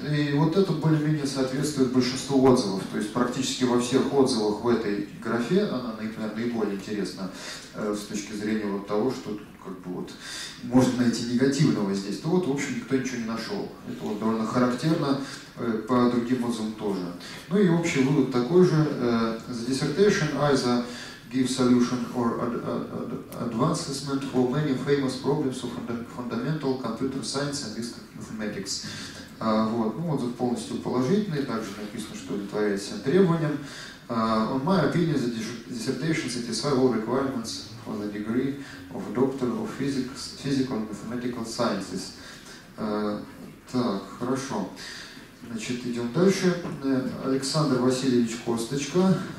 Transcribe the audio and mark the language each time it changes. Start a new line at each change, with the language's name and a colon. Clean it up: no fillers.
Russian: И вот это более-менее соответствует большинству отзывов. То есть практически во всех отзывах в этой графе она, наверное, наиболее интересна с точки зрения вот того, что как бы вот можно найти негативного здесь. То вот, в общем, никто ничего не нашел. Это вот довольно характерно. По другим отзывам тоже. Ну и общий вывод такой же.
English: The dissertation either give solution or advancement for many famous problems of fundamental computer science and risk mathematics.
Russian: Вот. Ну, отзыв полностью положительный, также написано, что удовлетворяет всем требованиям.
English: On my opinion, the dissertation satisfies all requirements for the degree of doctor of physical and mathematical sciences.
Russian: Так, хорошо. Значит, идем дальше. Александр Васильевич Косточка.